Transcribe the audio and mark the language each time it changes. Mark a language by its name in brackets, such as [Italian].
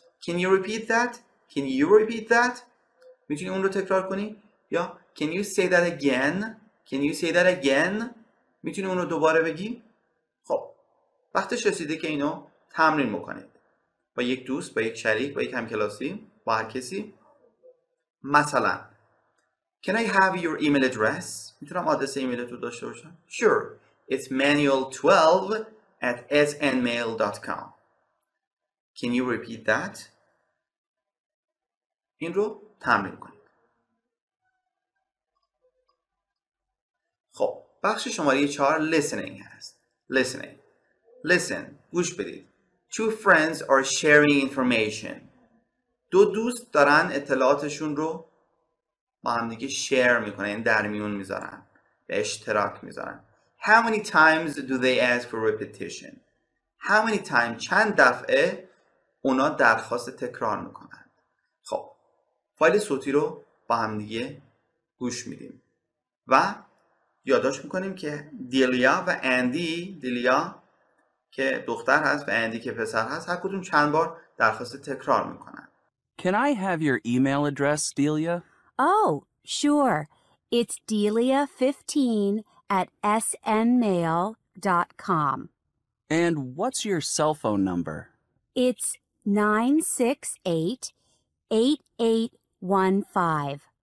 [English] Can you repeat that؟ [Persian] Can you repeat that؟ میتونی اون رو تکرار کنی؟ یا [English] Can you say that again؟ [Persian] Can you say that again؟ میتونی اون رو دوباره بگی؟ خب وقتش رسیده که اینو تمرین بکنید با یک دوست، با یک شریک، با یک همکلاسی، با هر کسی. مثلا [English] Can I have your email address؟ [Persian] میتونم آدرس ایمیلت رو داشته باشم؟ [English] Sure، It's manuel12@snmail.com. Can you repeat that؟ [Persian] این رو تمرین کنید. خب بخش شماره 4 listening هست. listening، listen، گوش بدید. [English] Two friends are sharing information. [Persian] دو دوست دارن اطلاعاتشون رو با هم دیگه شیر میکنن، یعنی در میون میذارن، به اشتراک میذارن. [English] How many times do they ask for repetition؟ How many times، [Persian] چند دفعه اونا درخواست تکرار میکنن. خب فایل صوتی رو با هم دیگه گوش میدیم و یادداشت میکنیم که دیلیا و اندی، دیلیا که دختر هست و اندی که پسر هست، هر کدوم چند بار درخواست تکرار میکنن. [English] Can I have your email address, Delia? Oh, sure. It's delia15 sn@snmail.com. And what's your cell phone number? It's 968-8815.